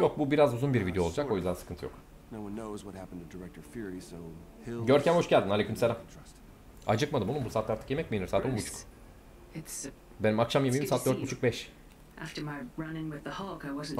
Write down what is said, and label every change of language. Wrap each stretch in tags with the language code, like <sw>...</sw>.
<tr>Yok, bu biraz uzun bir video olacak, o yüzden sıkıntı yok.</tr> <en>No one knows what happened to Director Fury, so</en> <tr>Görkem hoş geldin. Aleykümselam. Acıkmadım oğlum, bu saatte artık yemek mi yenir? Saat 10.30. Benim akşam yemeğim saat 4:30-5.</tr> <en>After my running with the Hulk, I wasn't sure.</en>